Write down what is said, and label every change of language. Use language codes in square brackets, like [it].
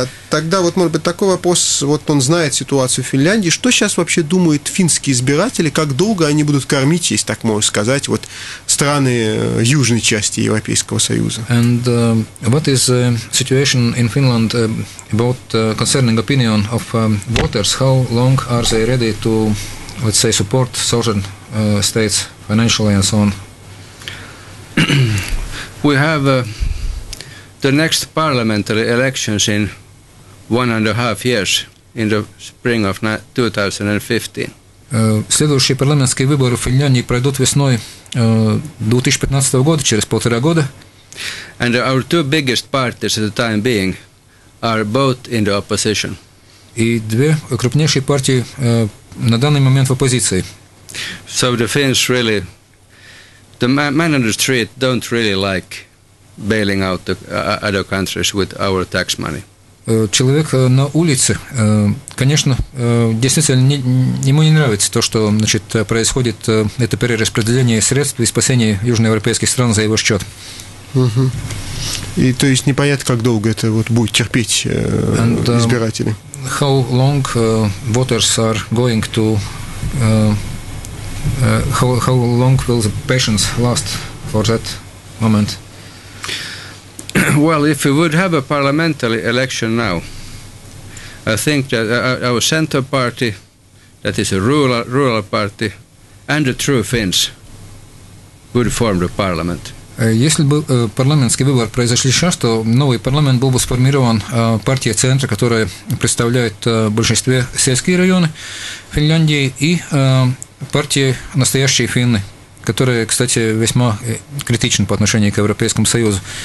[ru] Тогда вот, может быть, такой вопрос. Вот он знает ситуацию в Финляндии. Что сейчас вообще думают финские избиратели? Как долго они будут кормить, если так можно сказать, вот страны южной части Европейского Союза? [en] And what is the situation in Finland about concerning opinion of voters? How long are they ready to, let's say, support southern states financially and so on? We have the next parliamentary elections in 1.5 years, in the spring of 2015. [ru] Следующие парламентские выборы в Финляндии пройдут весной 2015 года, через полтора года. [en] And our two biggest parties at the time being are both in the opposition. [ru] И две крупнейшие партии на данный момент в оппозиции. [en] So the Finns really, the man on the street don't really like bailing out the other countries with our tax money. [ru] Человек на улице, конечно, действительно, ему не нравится то, что, значит, происходит это перераспределение средств и спасение южноевропейских стран за его счет. Угу. И то есть непонятно, как долго это вот будет терпеть избиратели. [en] How long voters are going to how long will the patience last for that moment? Well, if we would have a parliamentary election now, I think that our center party, that is a rural party, and the true Finns would form the parliament. [ru] Если бы парламентский выбор произошли сейчас, то новый парламент был бы сформирован партией центра, которая представляет в большинстве сельские районы Финляндии, и партией настоящие финны, которые, кстати, весьма критичны по отношению к Европейскому Союзу.